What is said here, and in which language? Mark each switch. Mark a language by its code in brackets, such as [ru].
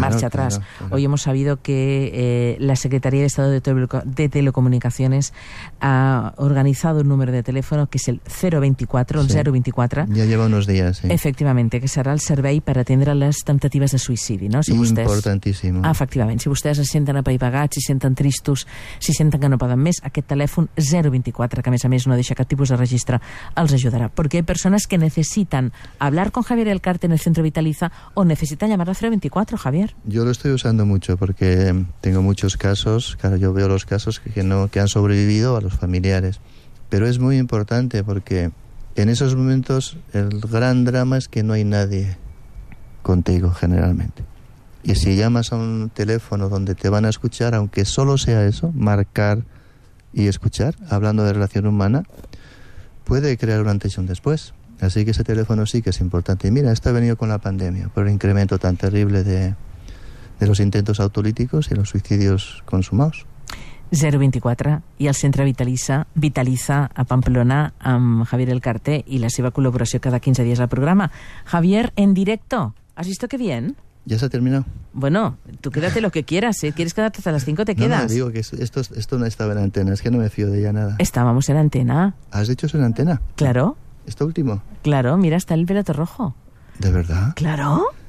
[es] marcha atrás. Claro. Hoy hemos sabido que la Secretaría de Estado de Telecomunicaciones ha organizado un número de teléfono que es el 024, sí, el 024. Ya lleva unos días, sí. Efectivamente, que será el survey para atender a las tentativas de suicidio, ¿no? Si importantísimo. [ca] Ah, efectivamente, vostès se senten apaivagats, si senten tristos, si senten que no poden més, aquest telèfon 024, que a més no deixa cap tipus de registre, els ajudarà. Perquè hi ha persones que necessiten [es] hablar con Javier Elcarte en el Centro Vitaliza o necessiten llamar al 024, Javier. Yo lo estoy usando mucho porque tengo muchos casos, claro, yo veo los casos que han sobrevivido a los familiares. Pero es muy importante porque en esos momentos el gran drama es que no hay nadie contigo generalmente. Y si llamas a un teléfono donde te van a escuchar, aunque solo sea eso, marcar y escuchar, hablando de relación humana, puede crear un antes y un después. Así que ese teléfono sí que es importante. Y mira, esto ha venido con la pandemia, por el incremento tan terrible de los intentos autolíticos y los suicidios consumados. [ca] 024 i el Centre Vitaliza a Pamplona amb Javier Elcarte i la seva col·laboració cada 15 dies al programa. [es] Javier, en directo. ¿Has visto qué bien? Ya se ha terminado. Bueno, tú quédate lo que quieras, ¿eh? ¿Quieres quedarte hasta las 5? Te quedas. No, digo que esto no estaba en antena, es que no me fío de ella nada. Estábamos en antena. ¿Has dicho eso en antena? Claro. ¿Esto último? Claro, mira, está el pelote rojo. ¿De verdad? Claro.